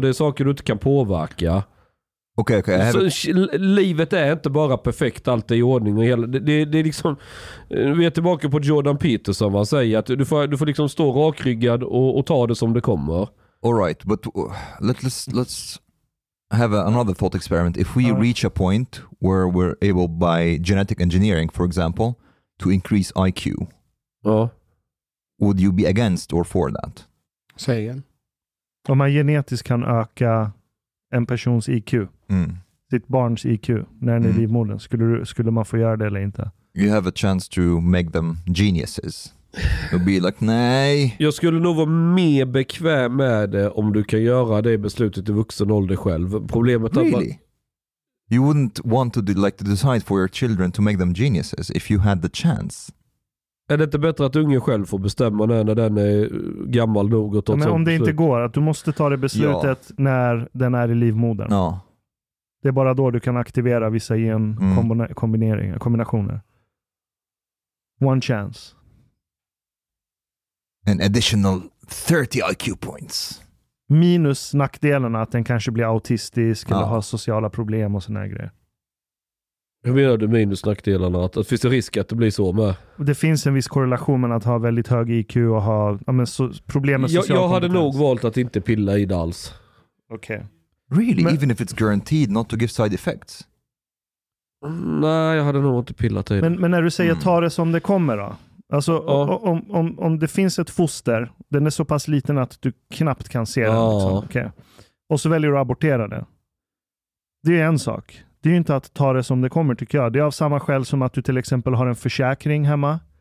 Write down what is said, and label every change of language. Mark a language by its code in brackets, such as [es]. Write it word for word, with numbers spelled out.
[sv] Och det är saker du inte kan påverka. [en] Okay, okay. [sv] Så, livet är inte bara perfekt, allt är i ordning och hela, det, det, det är liksom, vi är tillbaka på Jordan Peterson, vad han säger att du får, du får liksom stå rakryggad och, och ta det som det kommer. [en] All right, but let, let's, let's have a, another thought experiment. If we right. reach a point where we're able by genetic engineering, for example, to increase I Q, [sv] ja. [en] Would you be against or for that? [sv] Säg igen. Om man genetiskt kan öka en persons I Q, mm. sitt barns I Q när den är mm. livmodern, skulle, du, skulle man få göra det eller inte? [en] You have a chance to make them geniuses. You'll be like, [sv] nej. Jag skulle nog vara mer bekväm med det om du kan göra det beslutet i vuxen ålder själv. Problemet [en] really? [sv] att... [en] You wouldn't want to, de- like, to decide for your children to make them geniuses if you had the chance. [sv] Är det inte bättre att ungen själv får bestämma när, när den är gammal nog? Och ja, men om det beslut. inte går, att du måste ta det beslutet ja. när den är i livmodern. Ja. Det är bara då du kan aktivera vissa genkombinationer. [en] Mm. Kombinationer. One chance. An additional thirty I Q points. [sv] Minus nackdelarna att den kanske blir autistisk ja. eller har sociala problem och såna här grejer. Hur menar du minus nackdelarna? Att, att finns det risk att det blir så med? Det finns en viss korrelation mellan att ha väldigt hög I Q och ha ja, men so- problem med social jag, jag hade kompetens. nog valt att inte pilla i det alls. Okej. Okay. [en] Really? [sv] Men, [en] even if it's guaranteed not to give side effects? [sv] Nej, jag hade nog inte pillat i det. Men, men när du säger mm. ta det som det kommer då? Alltså ja. om, om, om det finns ett foster, den är så pass liten att du knappt kan se ja. den. Liksom. Okay. Och så väljer du att abortera det. Det är en sak. Det är ju inte att ta det som det kommer, tycker jag. Det är av samma skäl som att du till exempel har en försäkring hemma.